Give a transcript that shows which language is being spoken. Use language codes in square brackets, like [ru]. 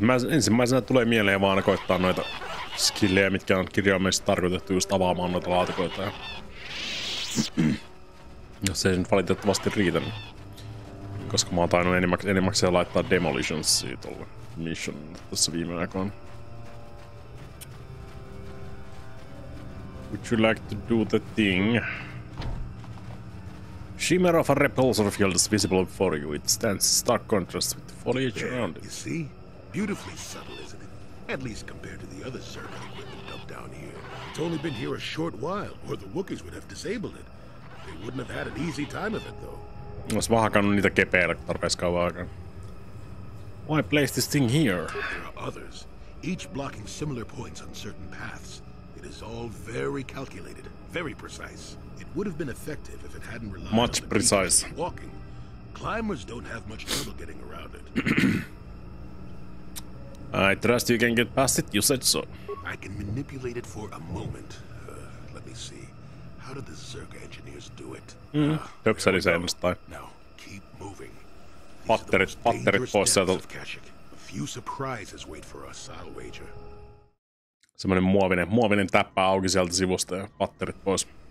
[fi] Ensimmäisenä tulee mieleen vaan koittaa noita skillejä, mitkä on kirjaimellisesti tarkoitettu just avaamaan noita laatikoita. Ja se ei nyt valitettavasti riitä, koska mä oon tainnut enimmäkseen laittaa demolitionsia tolle mission tässä viime aikoina. [en] Would you like to do the thing? Shimmer of a repulsor field is visible before you. It stands in stark contrast with the foliage there, around it. You see? Beautifully subtle, isn't it? At least compared to the other survey equipment dumped down here. It's only been here a short while, or the Wookiees would have disabled it. They wouldn't have had an easy time of it, though. [fi] Olis vaan hakannut niitä kepeillä tarpeeksi kauan aikaan. [en] Why place this thing here? There are others, each blocking similar points on certain paths. It is all very calculated, very precise. It would have been effective if it hadn't relied much on the precise walking. Climbers don't have much trouble getting around it. I trust you can get past it. You said so. I can manipulate it for a moment. Let me see. How did the Zerg engineers do it? No, keep moving. [fi] Patterit pois sieltä. [en] A few surprises wait for us, I'll wager. [fi] Semmoinen muovinen täppä auki sieltä sivusta ja patterit pois.